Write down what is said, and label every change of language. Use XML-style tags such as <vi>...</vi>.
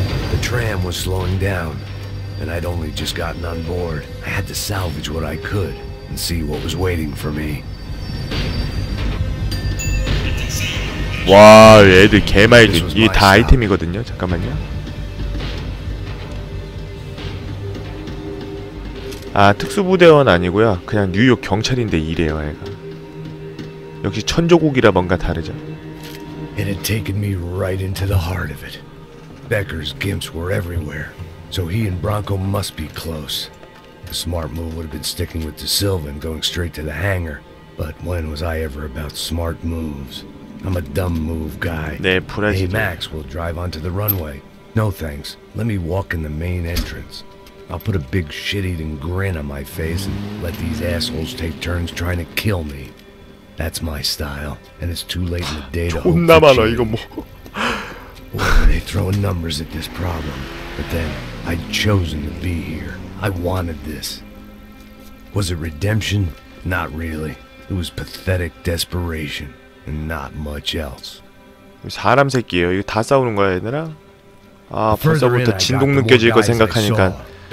<en>The tram was slowing down and I'd only just gotten on board. I had to salvage what I could and see what was waiting for me.</en> <ko>와, 애들 개말지. 이게 다 아이템이거든요. 잠깐만요. 아 특수부대원 아니고요 그냥 뉴욕 경찰인데 일해요 애가. 역시 천조국이라 뭔가 다르죠.</ko> <en>It had taken me right into the heart of it. Becker's gimps were everywhere. So he and Bronco must be close. The smart move would have been sticking with De Silva and going straight to the hangar. But when was I ever about smart moves? I'm a dumb move guy.</en> <ko>네, 브라질.</ko> <en>Hey Max, we'll drive onto the runway. No thanks. Let me walk in the main entrance. I'll put a big shit-eating grin on my face and let these assholes take turns trying to kill me. That's my style, and it's too late in the day to hope for change.</en> <ko>존나 많아 이거 뭐.</ko> <en>Well, they throw numbers at this problem, but then I'd chosen to be here. I wanted this. Was it redemption? Not really. It was pathetic desperation, and not much else.</en> <ko>사람 새끼예요. 이거 다 싸우는 거야 얘들아? 아 벌써부터 진동 느껴질 거 생각하니까.</ko>